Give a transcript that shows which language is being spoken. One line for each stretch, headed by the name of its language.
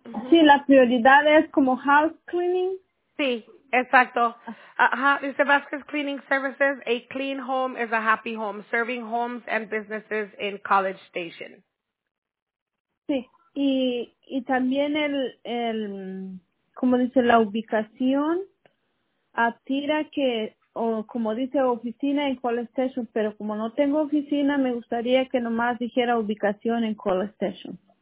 Spanish: Sí, la prioridad es como house cleaning. Sí, exacto. Dice
English: Vasquez Cleaning Services, a clean home is a happy home, serving homes and businesses in College Station.
Spanish: Sí, y también el como dice, la ubicación a tira que, o como dice, oficina en College Station, pero como no tengo oficina, me gustaría que nomás dijera ubicación en College Station.